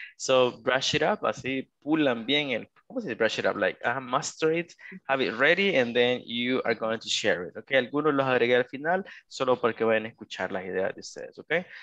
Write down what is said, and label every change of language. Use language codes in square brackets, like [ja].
[en] So brush it up, [es] así pulan bien el, ¿cómo se dice brush it up? [en] Like, master it, have it ready, and then you are going to share it, okay? [es] Algunos los agregué al final, solo porque vayan a escuchar las ideas de ustedes, okay?